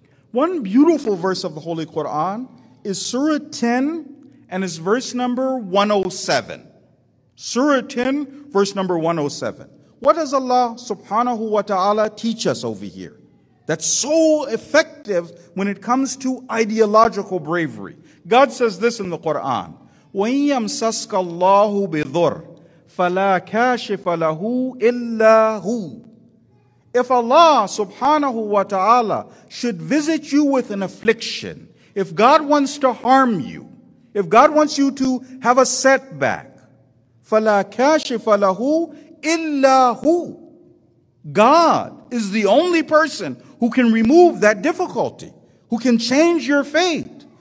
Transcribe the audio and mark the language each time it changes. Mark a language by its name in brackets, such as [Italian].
[English] One beautiful verse of the Holy Quran is Surah 10 and is verse number 107. Surah 10, verse number 107. What does Allah subhanahu wa ta'ala teach us over here that's so effective when it comes to ideological bravery? God says this in the Quran, [Arabic] وَإِن يَمْسَسْكَ اللَّهُ بِضُرٍّ فَلَا كَاشِفَ لَهُ إِلَّا هُوَ. [English] If Allah subhanahu wa ta'ala should visit you with an affliction, if God wants to harm you, if God wants you to have a setback, [Arabic] فَلَا كَاشِفَ لَهُ إِلَّا هُوَ. [English] God is the only person who can remove that difficulty, who can change your fate.